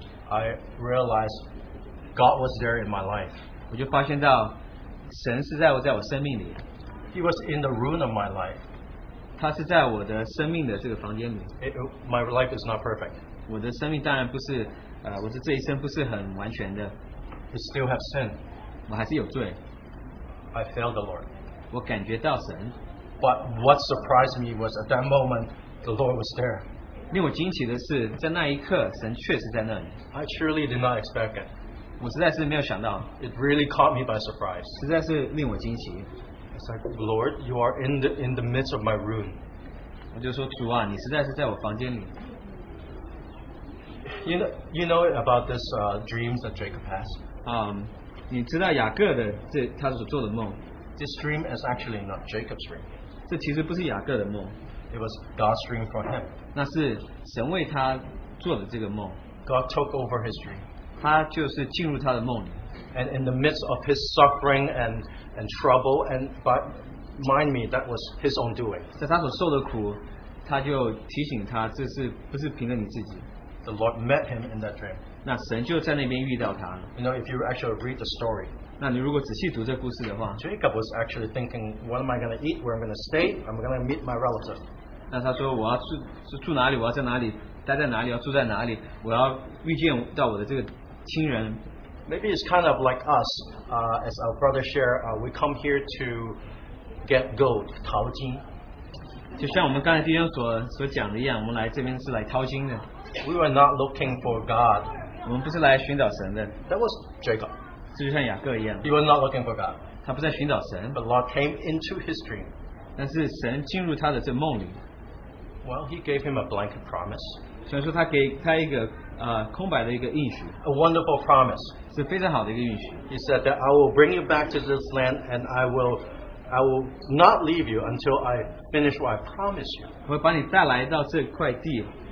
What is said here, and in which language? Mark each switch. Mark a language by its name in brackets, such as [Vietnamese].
[English] I realized God was there in my life. [Chinese] 我就发现到神是在我生命里。 [English] He was in the room of my life. [Chinese] 他是在我的生命的这个房间里。 [English] My life is not perfect. [Chinese] 我的生命当然不是, 我的这一生不是很完全的。 [English] I still have sin. [Chinese] 我还是有罪。 [English] I failed the Lord. [Chinese] 我感觉到神。 [English] But what surprised me was at that moment, the Lord was there. [Chinese] 令我惊奇的是, 在那一刻, 神确实在那里。 [English] I truly did not expect it. [Chinese] 我实在是没有想到。 [English] It really caught me by surprise. [Chinese] 实在是令我惊奇。 [English] It's like, Lord, you are in the midst of my room. [Chinese] 我就说, 主啊, 你实在是在我房间里。 [English] You know about this dreams that Jacob has? [Chinese] 你知道雅各的这他所做的梦。 [English] This dream is actually not Jacob's dream. [Chinese] 这其实不是雅各的梦。 [English] It was God's dream for him. [Chinese] 那是神为他做的这个梦。 [English] God took over his dream. [Chinese] 他就是进入他的梦里。 [English] And in the midst of his suffering and trouble, and but mind me, that was his own doing. [Chinese] 在他所受的苦，他就提醒他，这是不是凭着你自己。 [English] The Lord met him in that dream. [Chinese] 那神就在那边遇到他。 [English] You know, if you actually read the story, [Chinese] 那你如果仔细读这故事的话, [English] Jacob was actually thinking, what am I going to eat, where am I going to stay, I'm going to meet my relative. [Chinese] 那他说我要住哪里, 我要在哪里, 待在哪里, 要住在哪里, 我要遇见到我的这个亲人。 [English] Maybe it's kind of like us, as our brother shared, we come here to get gold, [Chinese] 淘金。就像我们刚才弟兄所讲的一样, 我们来这边是来淘金的。 [English] We were not looking for God. [Chinese] 我们不是来寻找神的。 [English] That was Jacob. [Chinese] 就像雅各一样。 [English] He was not looking for God. [Chinese] 他不在寻找神。 [English] But Lord came into his dream. [Chinese] 但是神进入他的这梦里。 [English] Well, he gave him a blank promise. [Chinese] 所以说他给他一个, 空白的一个应许。 [English] A wonderful promise. [Chinese] 是非常好的一个应许。 [English] He said that I will bring you back to this land and I will not leave you until I finish what I promised you. [Chinese] 我会把你带来到这块地。